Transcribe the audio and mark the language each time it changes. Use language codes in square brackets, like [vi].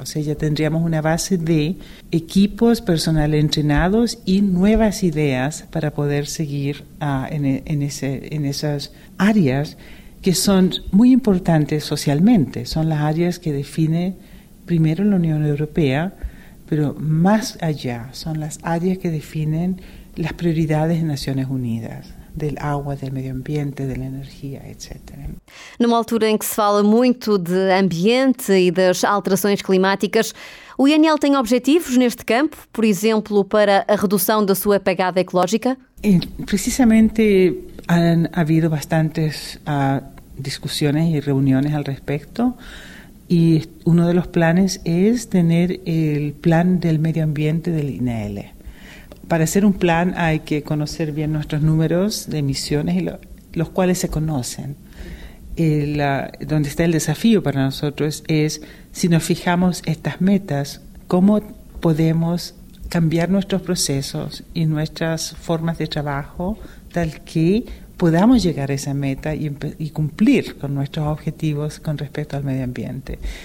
[es] O sea, ya tendríamos una base de equipos, personal entrenados y nuevas ideas para poder seguir en esas áreas que son muy importantes socialmente. Son las áreas que define primero la Unión Europea, pero más allá, son las áreas que definen las prioridades de Naciones Unidas, del agua, del medio ambiente, de la energía, etc. [pt] Numa altura em que se fala muito de ambiente e das alterações climáticas, o INL tem objetivos neste campo, por exemplo, para a redução da sua pegada ecológica? E, precisamente, han havido bastantes discussões e reuniões [es] al respecto, [pt] e um dos planos é ter o plano do medio ambiente do INL. [es] Para hacer un plan hay que conocer bien nuestros números de emisiones, y los cuales se conocen. Donde está el desafío para nosotros es, si nos fijamos estas metas, ¿cómo podemos cambiar nuestros procesos y nuestras formas de trabajo tal que podamos llegar a esa meta y cumplir con nuestros objetivos con respecto al medio ambiente?